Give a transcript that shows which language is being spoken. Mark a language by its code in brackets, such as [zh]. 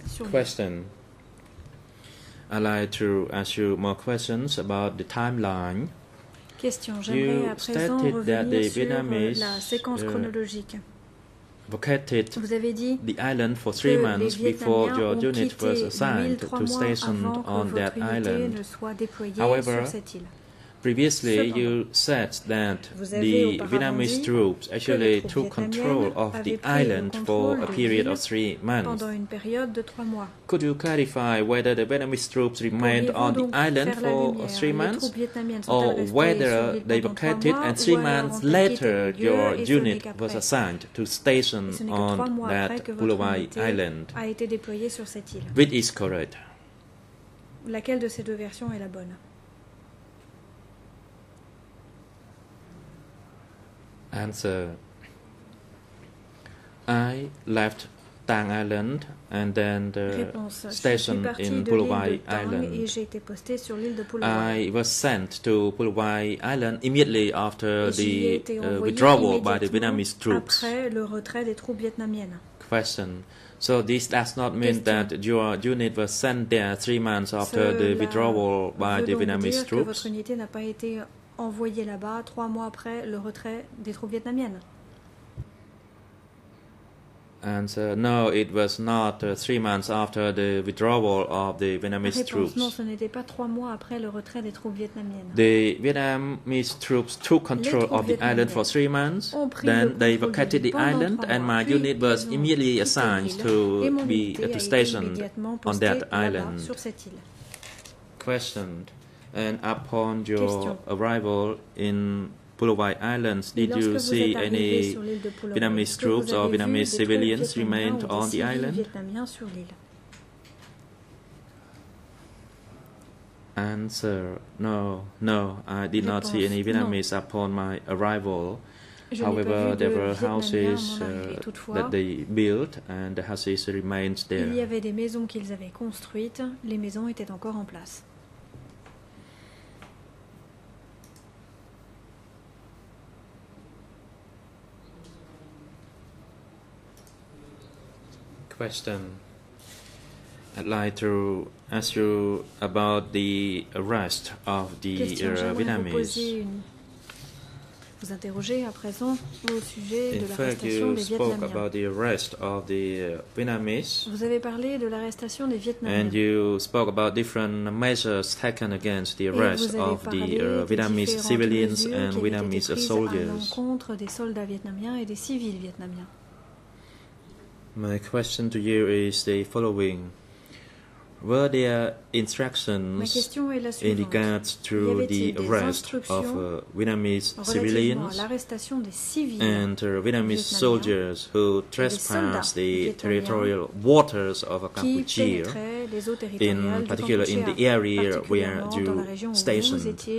[en] Question. I'd like to ask you more questions about the timeline. [fr] Question. J'aimerais à présent revenir sur la séquence chronologique. [en] vacated [fr] vous avez dit [en] the island for 3 months before your unit was assigned to station on that island. However, previously you said that the Vietnamese troops actually took control of the island for a period of 3 months. Could you clarify whether the Vietnamese troops remained on the island for 3 months or whether they vacated and 3 months later your unit was assigned to station on that Bulawayo island? Which is correct? [fr] Laquelle de ces deux versions est la bonne? [en] Answer. I left Tang Island and then the [fr] réponse, [en] station in Bulawayo Island. [fr] Et j'ai été posté sur l'île de Bulawayo. [en] I was sent to Bulawayo Island immediately after the withdrawal by the Vietnamese troops. [fr] Après le retrait des troupes vietnamiennes. [en] Question. So this does not mean that your unit was sent there 3 months after the withdrawal by the Vietnamese troops. [fr] Votre unité n'a pas été envoyé là-bas 3 mois après le retrait des troupes vietnamiennes. [en] Answer, no, it was not 3 months after the withdrawal of the Vietnamese [fr] réponse, [en] troops. [fr] Non, ce n'était pas 3 mois après le retrait des troupes vietnamiennes. [en] The Vietnamese troops took control of the island for 3 months, then they vacated the island, and my unit was immediately assigned to be at the station on that island. Questioned. And upon your [fr] question. [en] Arrival in Bulawayo Islands, did you see any Vietnamese troops or Vietnamese civilians remained on the island? Answer, no, no, I did [fr] réponse, [en] not see any Vietnamese [fr] non. [en] upon my arrival. [fr] Je [en] However, there were houses [fr] toutefois, [en] that they built, and the houses remained there. [fr] Il y avait des maisons qu'ils avaient construites, les maisons étaient encore en place. [en] Question. I'd like to ask you about the arrest of the Vietnamese. [fr] Vous interrogez à présent au sujet [en] In [fr] de l'arrestation des Vietnamiens. [en] About the arrest of the Vietnamese. [fr] Vous avez parlé de l'arrestation des Vietnamiens. [en] And you spoke about different measures taken against the arrest of the Vietnamese civilians and Vietnamese soldiers. [fr] À l'encontre des soldats vietnamiens et des civils vietnamiens. [en] My question to you is the following. Were there instructions in regards to the arrest of Vietnamese civilians and Vietnamese soldiers who trespassed the territorial waters of Campuchia, in particular in the area where you stationed?